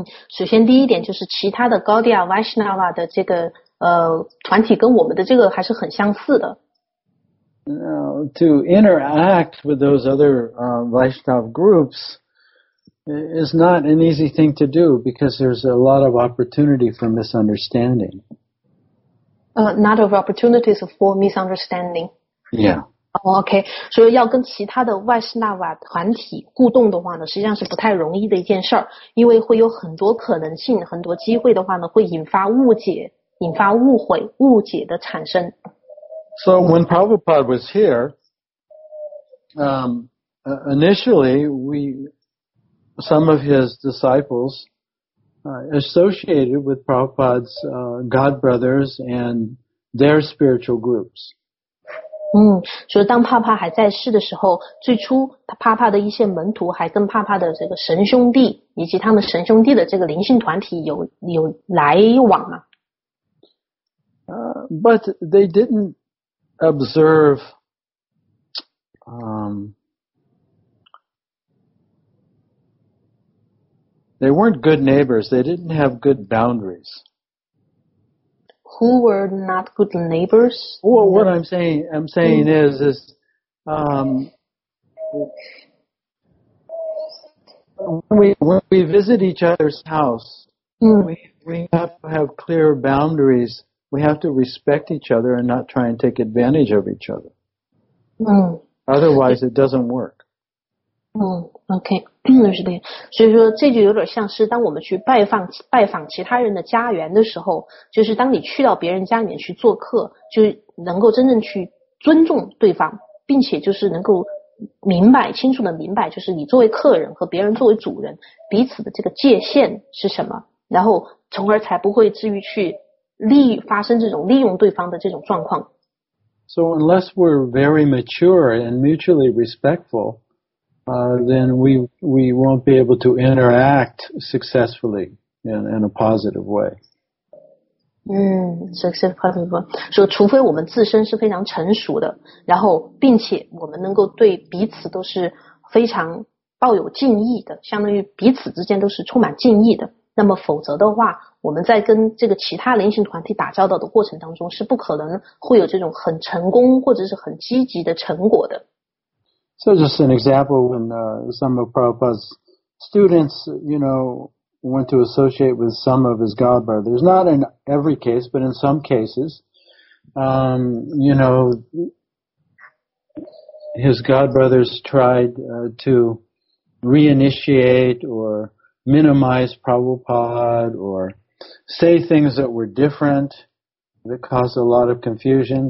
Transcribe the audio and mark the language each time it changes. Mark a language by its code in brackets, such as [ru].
[zh] 首先第一点就是其他的 Gaudiya Vaishnava 的这个团体跟我们的这个还是很相似的。 [en] Now, to interact with those other Vaishnava groups, is not an easy thing to do because there's a lot of opportunity for misunderstanding. Not of opportunities for misunderstanding. Yeah. [zh] OK, 所以要跟其他的外斯纳瓦团体互动的话呢，实际上是不太容易的一件事儿，因为会有很多可能性，很多机会的话呢，会引发误解，引发误会，误解的产生。 [en] So when Prabhupada was here, initially some of his disciples associated with Prabhupada's God brothers and their spiritual groups. [zh] 所以当帕帕还在世的时候，最初帕帕的一些门徒还跟帕帕的这个神兄弟以及他们神兄弟的这个灵性团体有来往吗？ [en] But they didn't observe they weren't good neighbors. They didn't have good boundaries. Who were not good neighbors? Well, what I'm saying is, when we visit each other's house, we have to have clear boundaries. We have to respect each other and not try and take advantage of each other. Otherwise, it doesn't work. [zh] OK, 是的，所以说这就有点像是当我们去拜访其他人的家园的时候，就是当你去到别人家里面去做客，就能够真正去尊重对方，并且就是能够明白，清楚的明白，就是你作为客人和别人作为主人彼此的这个界限是什么，然后从而才不会至于去发生这种利用对方的这种状况。 [en] So unless we're very mature and mutually respectfulthen we won't be able to interact successfully in a positive way. Successfully. [zh] So, 除非我们自身是非常成熟的，然后并且我们能够对彼此都是非常抱有敬意的，相当于彼此之间都是充满敬意的。那么否则的话，我们在跟这个其他灵性团体打交道的过程当中，是不可能会有这种很成功或者是很积极的成果的。 [en] So just an example, when some of Prabhupada's students, you know, went to associate with some of his godbrothers, not in every case, but in some cases, you know, his godbrothers tried to reinitiate or minimize Prabhupada or say things that were different that caused a lot of confusion.